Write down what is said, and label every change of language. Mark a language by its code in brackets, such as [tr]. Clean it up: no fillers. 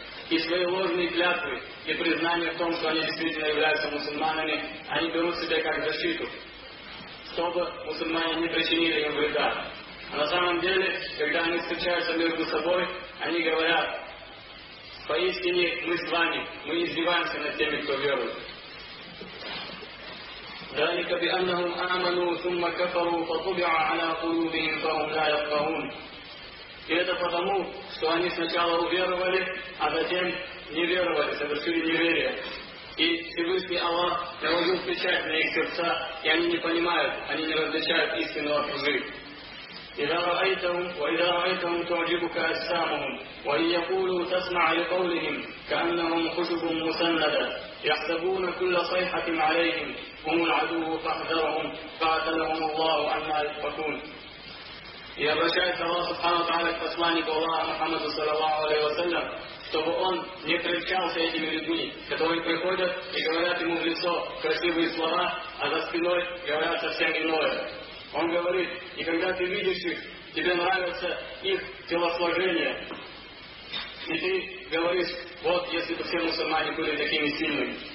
[ru] и свои ложные клятвы и признание в том, что они действительно являются мусульманами, они берут себя как защиту, чтобы мусульмане не причинили им вреда. А на самом деле, когда они встречаются между собой, они говорят: «Поистине мы с вами, мы издеваемся над теми, кто верует». [ar] ذلك بأنهم آمنوا ثم كفروا فطبع على قلوبهم فهم لا يفقهون. [ru] И это потому, что они сначала уверовали, а затем не веровали, совершили неверие. И Всевышний Аллах наложил печать на их сердца, и они не понимают, они не различают истину от лжи. [ar] إذا رأيتهم تعجبك أجسامهم وإن يقولوا تسمع لقولهم كأنهم خشب مسندة يحسبون كل صيحة عليهم هم العدو فاحذرهم قاتلهم الله أنى يؤفكون. [ru] И обращается Аллах Субхану Тааля к посланнику Аллаха Мухаммаду саллаллаху алейхи ва саллям, чтобы он не встречался этими людьми, которые приходят и говорят ему в лицо красивые слова, а за спиной говорят совсем иное. Он говорит: и когда ты видишь их, тебе нравится их телосложение, и ты говоришь: вот если бы все мусульмане были такими сильными.